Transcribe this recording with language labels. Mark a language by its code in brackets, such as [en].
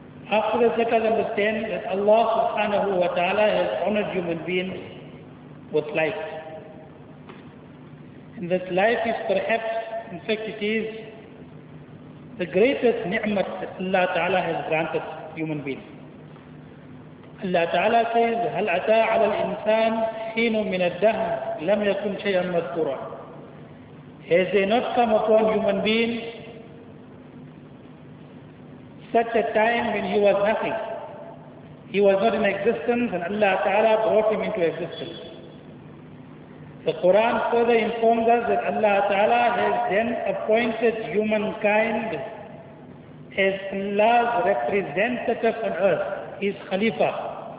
[en] After this, let us understand that Allah subhanahu wa ta'ala has honored human beings with life. And that life is perhaps, in fact it is, the greatest ni'mat that Allah ta'ala has granted human beings. Allah ta'ala says, [ar] هَلْ أَتَى عَلَى الْإِنسَانِ حِينٌ مِنَ الدَّهْرِ لَمْ يَكُنْ شَيْئًا مَذْكُورًا. [en] Has there not come upon human beings such a time when he was nothing? He was not in existence and Allah ta'ala brought him into existence. The Quran further informs us that Allah ta'ala has then appointed humankind as Allah's representative on earth, his Khalifa.